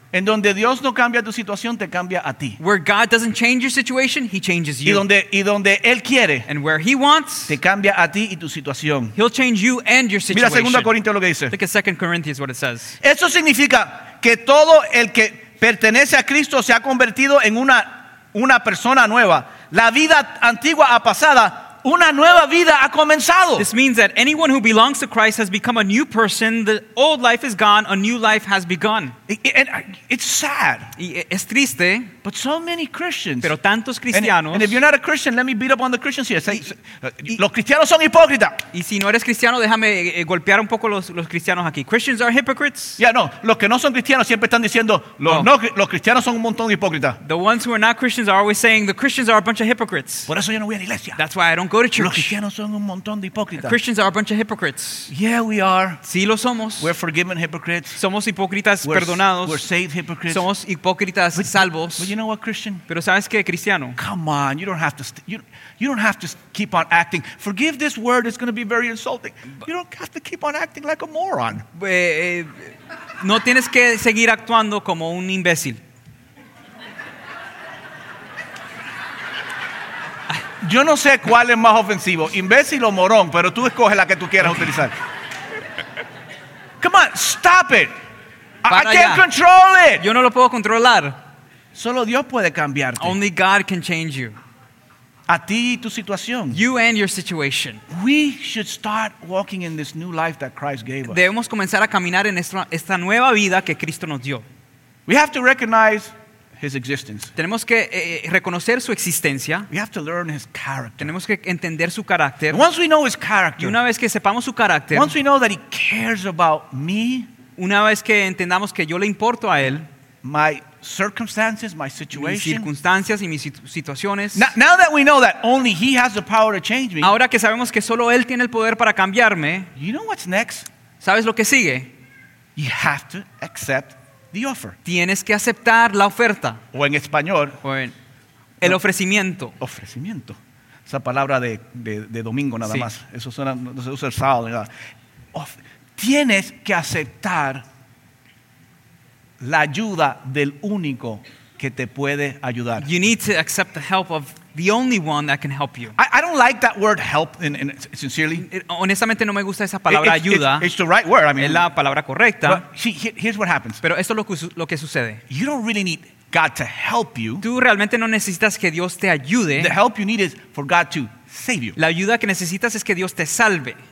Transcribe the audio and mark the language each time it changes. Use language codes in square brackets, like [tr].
[es] En donde Dios no cambia tu situación, te cambia a ti. [en] Where God doesn't change your situation, he changes you. [es] Y donde él quiere, [en] and where he wants, [es] te cambia a ti y tu situación. [en] He'll change you and your situation. [es] Mira 2 Corintios lo que dice. [en] Look at 2 Corinthians what it says. [es] Eso significa que todo el que pertenece a Cristo se ha convertido en una persona nueva. La vida antigua ha pasado. Una nueva vida ha comenzado. [en] This means that anyone who belongs to Christ has become a new person. The old life is gone. A new life has begun. It's sad. [es] Es triste. [en] But so many Christians. [es] Pero tantos cristianos. [en] And if you're not a Christian, let me beat up on the Christians here. [es] Los cristianos son hipócritas. Y si no eres cristiano, déjame golpear un poco los cristianos aquí. [en] Christians are hypocrites. Yeah, no. [es] Los que no son cristianos siempre están diciendo los cristianos son un montón de hipócritas. [en] The ones who are not Christians are always saying the Christians are a bunch of hypocrites. [es] Por eso yo no voy a la iglesia. [en] That's why I don't go to church. [es] Los cristianos son un montón de hipócritas. [en] Christians are a bunch of hypocrites. Yeah, we are. [es] Sí, lo somos. [en] We're forgiven hypocrites. [es] Somos hipócritas perdonados. [en] We're saved hypocrites. [es] Somos hipócritas salvos. [en] But you know what, Christian? [es] Pero sabes qué, cristiano? [en] Come on, you don't have to. You don't have to keep on acting. Forgive this word; it's going to be very insulting. You don't have to keep on acting like a moron. [es] No tienes que seguir actuando como un imbécil. Yo no sé cuál es más ofensivo, imbécil o morón, pero tú escoges la que tú quieras utilizar. [en] Come on, stop it. [es] Para [en] I can't [es] ya. [en] Control it. [es] Yo no lo puedo controlar. Solo Dios puede cambiarte. [en] Only God can change you. [es] A ti y tu situación. [en] You and your situation. We should start walking in this new life that Christ gave us. [es] Debemos comenzar a caminar en esta nueva vida que Cristo nos dio. [en] We have to recognize His existence. [es] Tenemos que reconocer su existencia. [en] We have to learn His character. [es] Tenemos que entender su carácter. [en] Once we know His character. [es] Y una vez que sepamos su carácter. [en] Once we know that He cares about me. [es] Una vez que entendamos que yo le importo a él. [en] My circumstances, my situation. [es] Mis circunstancias y mis situaciones. [en] Now that we know that only He has the power to change me. [es] Ahora que sabemos que solo él tiene el poder para cambiarme. [en] You know what's next? [es] ¿Sabes lo que sigue? [en] You have to accept the offer. [es] Tienes que aceptar la oferta. O en español. O en el ofrecimiento. Ofrecimiento. Esa palabra de domingo nada sí. Más. Eso suena, no se usa el sábado. Nada. Tienes que aceptar la ayuda del único que te puede ayudar. [en] You need to accept the help of the only one that can help you. I don't like that word help in sincerely. [es] Honestamente no me gusta esa palabra ayuda. [en] It's the right word. I mean, [es] es la palabra correcta. [en] Here's what happens. [es] Pero esto es lo que sucede. [en] You don't really need God to help you. [es] Tú realmente no necesitas que Dios te ayude. [en] The help you need is for God to save you. [es] La ayuda que necesitas es que Dios te salve.